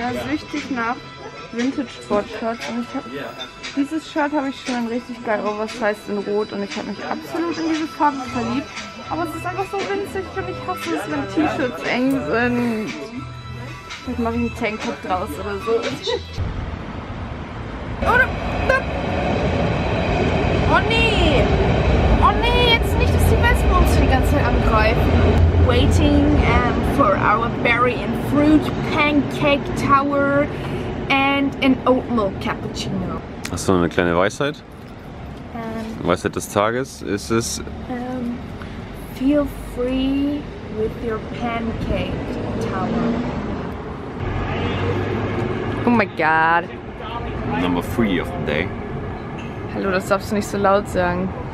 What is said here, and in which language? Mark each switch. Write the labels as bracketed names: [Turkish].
[German] Richtig nach Vintage-Sportshirt und ich hab, dieses Shirt habe ich schon richtig geil oversized in Rot und ich habe mich absolut in diese Farbe verliebt, aber es ist einfach so winzig und ich hasse es, wenn T-Shirts eng sind. Vielleicht mache ich einen Tanktop draus oder so. Oh nee, jetzt nicht, dass die Wespen uns die ganze Zeit angreifen. [English] Waiting for our berry and fruit pancake tower and an oatmeal cappuccino. [German] Hast du noch eine kleine Weisheit? Weisheit des Tages ist es. [English] Feel free with your pancake tower. Oh my god. Number 3 of the day. [German] Hallo, das darfst du nicht so laut sagen.